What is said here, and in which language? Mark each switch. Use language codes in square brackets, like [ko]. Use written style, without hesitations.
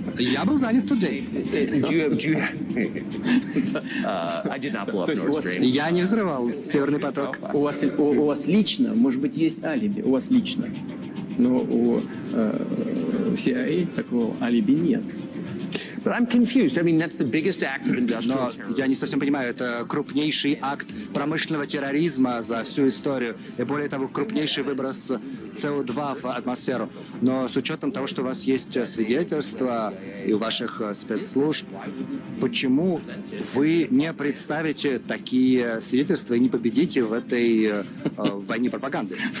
[ru] Я был занят тот день. Я не взрывал Северный поток. У вас лично, может быть, есть алиби. У вас лично. Но у CIA такого алиби нет. [en] But I'm confused. I mean, that's the biggest act of industrial terrorism. [ru] Я не совсем понимаю. Это крупнейший акт промышленного терроризма за всю историю. И более того, крупнейший выброс CO2 в атмосферу. Но с учетом того, что у вас есть свидетельства и у ваших спецслужб, почему вы не представите такие свидетельства и не победите в этой войне пропаганды?